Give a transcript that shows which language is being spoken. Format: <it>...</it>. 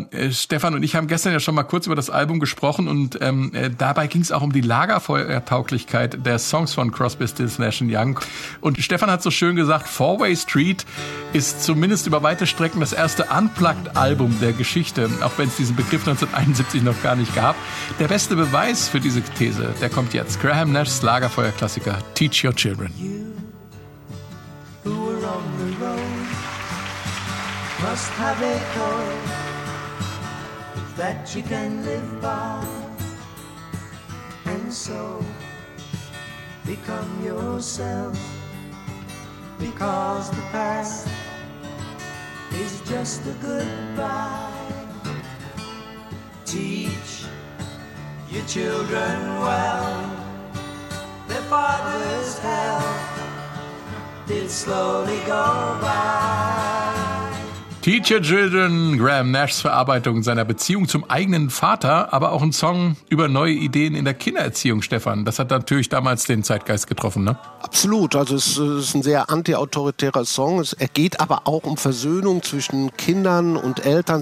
<de>Stefan und ich haben gestern ja schon mal kurz über das Album gesprochen und dabei ging es auch um die Lagerfeuertauglichkeit der Songs von Crosby, Stills, Nash & Young. Und Stefan hat so schön gesagt, Four-Way Street ist zumindest über weite Strecken das erste Unplugged-Album der Geschichte, auch wenn es diesen Begriff 1971 noch gar nicht gab. Der beste Beweis für diese These, der kommt jetzt. Graham Nash's Lagerfeuerklassiker Teach Your Children.</de> <en>You, who are on the road, must have a code that you can live by and so become yourself because the past is just a goodbye. Teach your children well, their father's health did slowly go by.</en> <de>Teach Your Children, Graham Nashs Verarbeitung seiner Beziehung zum eigenen Vater, aber auch ein Song über neue Ideen in der Kindererziehung, Stefan. Das hat natürlich damals den Zeitgeist getroffen, ne? Absolut, also es ist ein sehr anti-autoritärer Song. Er geht aber auch um Versöhnung zwischen Kindern und Eltern.</de>